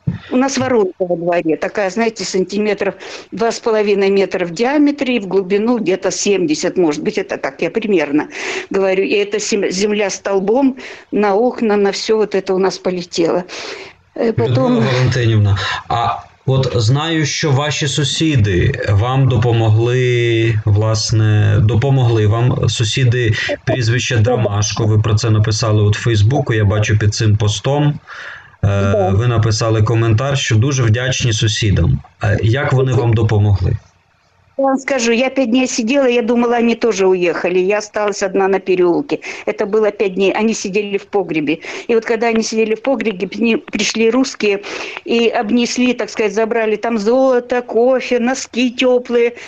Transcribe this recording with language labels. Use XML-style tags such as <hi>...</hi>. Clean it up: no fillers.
<ru>У нас воронка во дворе, такая, знаете, сантиметров 2,5 метра в диаметре и в глубину где-то 70, может быть, это так, я примерно говорю. И эта земля столбом на окна, на все вот это у нас полетело. Потом... Людмила Валентиновна,</ru> <uk>От знаю, що ваші сусіди вам допомогли, власне, допомогли вам сусіди прізвище Дамашко. Ви про це написали от в Фейсбуку. Я бачу під цим постом. Ви написали коментар, що дуже вдячні сусідам. Як вони вам допомогли?</uk> <ru>Я вам скажу, я 5 дней сидела, я думала, они тоже уехали. Я осталась одна на переулке. Это было 5 дней. Они сидели в погребе. И вот когда они сидели в погребе, пришли русские и обнесли, так сказать, забрали там золото, кофе, носки теплые.</ru>